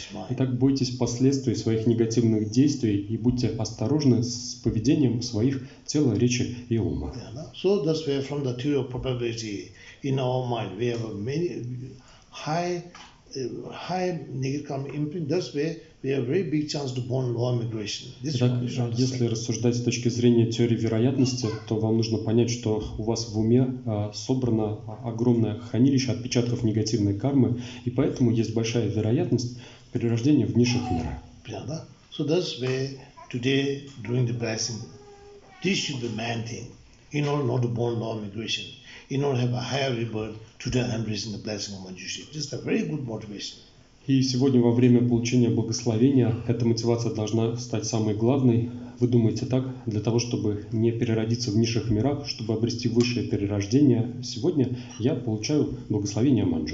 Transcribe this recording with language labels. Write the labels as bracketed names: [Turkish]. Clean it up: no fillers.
[Russian] Итак, бойтесь последствий своих негативных действий и будьте осторожны с поведением своих тела, речи и ума. [English] So that's where from the theory of probability in our mind we have a many high negative karma imprint. That's where we have very big chance to bond low migration. [Russian] This Итак, если рассуждать с точки зрения теории вероятности, то вам нужно понять, что у вас в уме собрано огромное хранилище отпечатков негативной кармы, и поэтому есть большая вероятность перерождения в низших мирах. [English] So that's why today during the blessing, this should be maintained in order not to bond low migration. In order to have a higher rebirth, today I'm receiving the blessing of Manjushri. Just a very good motivation. [Russian] И сегодня во время получения благословения эта мотивация должна стать самой главной. Вы думаете так, для того, чтобы не переродиться в низших мирах, чтобы обрести высшее перерождение, сегодня я получаю благословение